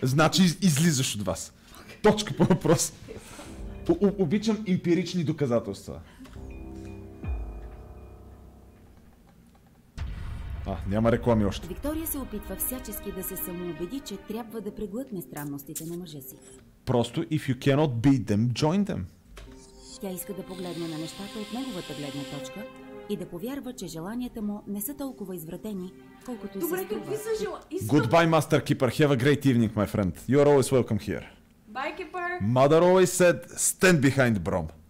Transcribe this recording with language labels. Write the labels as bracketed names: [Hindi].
[Bulgarian] Значи излизаш от вас. Okay. Точка по въпрос. Обичам емпирични доказателства. А, няма реклами още. Виктория се опитва всячески да се самоубеди, че трябва да преглътне странностите на мъжа си. [English] Просто, if you cannot beat them, join them. [Bulgarian] Тя иска да погледне на нещата от неговата гледна точка и да повярва, че желанията му не са толкова извратени, колкото добре, се струва. Добре, какви са желания? [English] Goodbye, Master Keeper. Have a great evening, my friend. You are always welcome here. Bye-keeper. Mother always said, stand behind Brom.